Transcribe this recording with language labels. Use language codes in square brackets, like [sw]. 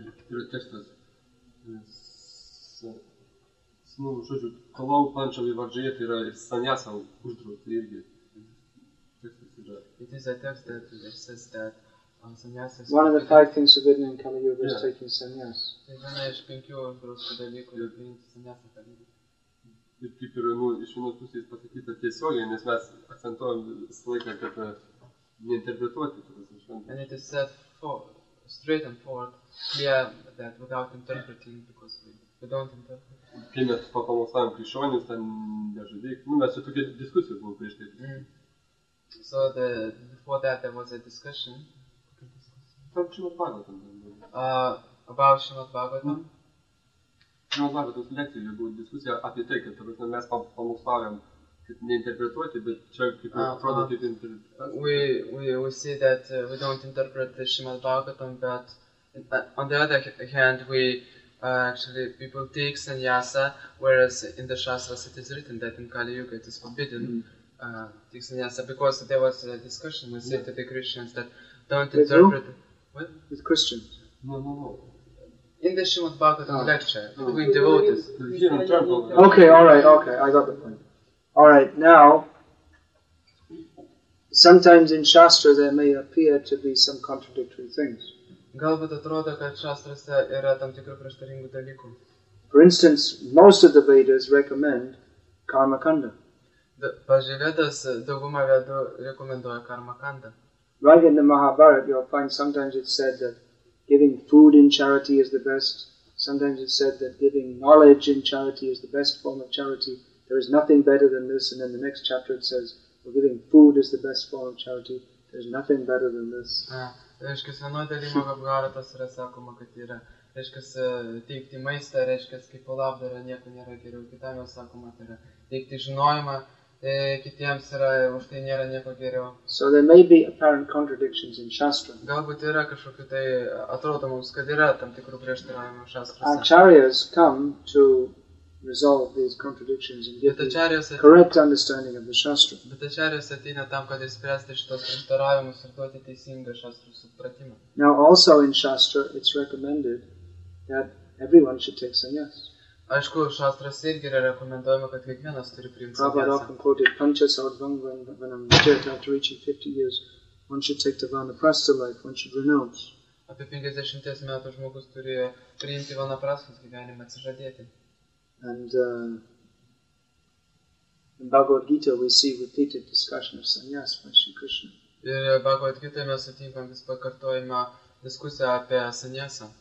[lt] Yra tekstas, nu, žodžiu, kalau pančiavi vardžioje, tai yra sanyasa uždraus, tai irgi tekstas yra. [en] It is a text that says that sanyasa is... One of the five things forbidden in Kali Yuga is taking sanyas. [lt] Tai viena iš penkių uždrausų dalykų, yra priimti sanyasa Kali Yuga. Ir kaip ir, nu, iš vienos pusės pasakyta tiesiogiai, nes mes akcentuojam visą laiką, kad neinterpretuoti. [en] And it is said for... Straight and forward, clear that without interpreting, because we don't interpret. [lt] Kai mes papamosavom krikščionis, ten nežudyk, nu mes jau tokia diskusija buvo prieš tai. [en] So, before that there was a discussion. [lt] Tarp Šrimad Bhagavatam. [en] About Šrimad Bhagavatam. [lt] Šrimad Bhagavatam lekcijoje buvo diskusija apie tai, kad mes papamosavom. Neinterpretuoti, bet čia kaip atrodo kaip interpretuoti. [en] We see that we don't interpret the Srimad Bhagavatam, but on the other hand, we actually, people take sannyasa, whereas in the Shastras it is written that in Kali Yuga it is forbidden take sannyasa, because there was a discussion, we said to the Christians that don't interpret... What? With Christians? No. In the Srimad Bhagavatam lecture, between devotees. Okay, alright, okay, I got the point. All right, now, sometimes in Shastra there may appear to be some contradictory things. [lt] Galbūt atrodo, kad Shastrose yra tam tikrų prieštaringų dalykų. [en] For instance, most of the Vedas recommend Karmakanda. [lt] Pavyzdžiui, Vedas dauguma Vedų rekomenduoja Karmakanda. [en] Right in the Mahabharata, you'll find sometimes it's said that giving food in charity is the best. Sometimes it's said that giving knowledge in charity is the best form of charity. There is nothing better than this, and in the next chapter it says, we're giving food is the best form of charity, there's nothing better than this. [lt] Reiškis, vienoje dalyje Mahabharatos yra sakoma, kad yra, reiškis, teikti maistą, reiškis, kaip labdara, nieko nėra geriau, kitam jau sakoma, tai yra, teikti žinojimą, kitiems yra, už tai nėra nieko geriau. [en] So there may be apparent contradictions in Shastra. [lt] Galbūt yra kažkokiu tai, atrodo mums, kad yra tam tikrų prieštaravimų Shastrose. [en] Acharyas come to resolve these contradictions and get the correct understanding of the Shastra. [lt] But acharyas ateina tam, kad išspręsti šitos prieštaravimus ir duoti teisingą Shastra supratimą. [en] Now also in Shastra it's recommended that everyone should take sannyas. [lt] Aišku, Shastras irgi yra rekomenduojama, kad kiekvienas turi priimti [en] sannyasą. Prabhupada quoted Pancha Sarvangvanam Vijayatam to reaching 50 years one should take the vanaprastha life, one should renounce. [lt] Apie 50 metų žmogus turi priimti vanaprastos gyvenimą, atsižadėti. [en] And in Bhagavad Gita we see repeated discussion of sannyas by Sri Krishna. [lt] Ir Bhagavad Gita mes sutinkam vis pakartojimą diskusiją apie sannyasą.